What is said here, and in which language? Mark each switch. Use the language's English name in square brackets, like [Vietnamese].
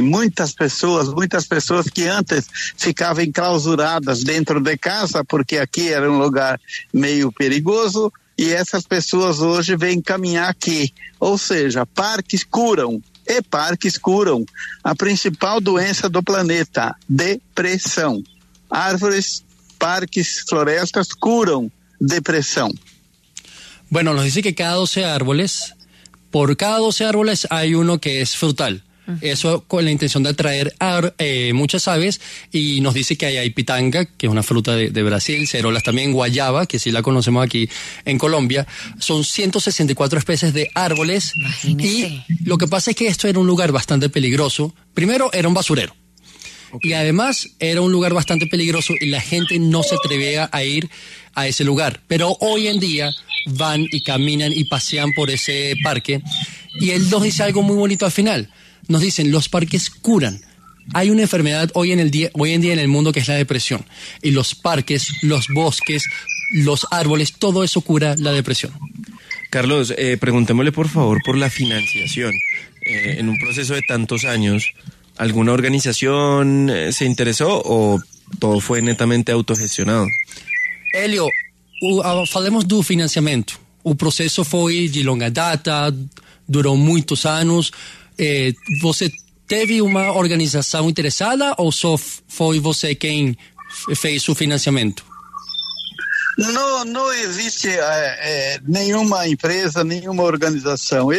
[Portuguese] Muitas pessoas que antes ficavam enclausuradas dentro de casa, porque aqui era um lugar meio perigoso, e essas pessoas hoje vêm caminhar aqui. Ou seja, parques curam, e parques curam a principal doença do planeta, depressão. Árvores, parques, florestas curam depressão. [Spanish] Bueno, nos dice que cada 12 árboles, por cada 12 árboles hay uno que es frutal. Uh-huh. Eso con la intención de atraer muchas aves. Y nos dice que hay pitanga, que es una fruta de Brasil, cerolas también, guayaba, que sí la conocemos aquí en Colombia. Son 164 especies de árboles. Imagínese. Y lo que pasa es que esto era un lugar bastante peligroso. Primero, era un basurero. Okay. Y además, era un lugar bastante peligroso y la gente no se atrevía a ir a ese lugar. Pero hoy en día van y caminan y pasean por ese parque. Y él nos dice algo muy bonito al final. Nos dicen, los parques curan. Hay una enfermedad hoy en día en el mundo que es la depresión. Y los parques, los bosques, los árboles, todo eso cura la depresión. Carlos, preguntémosle por favor por la financiación. En un proceso de tantos años, ¿alguna organización se interesó o todo fue netamente autogestionado? [Portuguese] Elio, falemos do financiamento. O processo foi de longa data, durou muitos anos. Você teve uma organização interessada ou só foi você quem fez o financiamento? Não existe nenhuma empresa, nenhuma organização.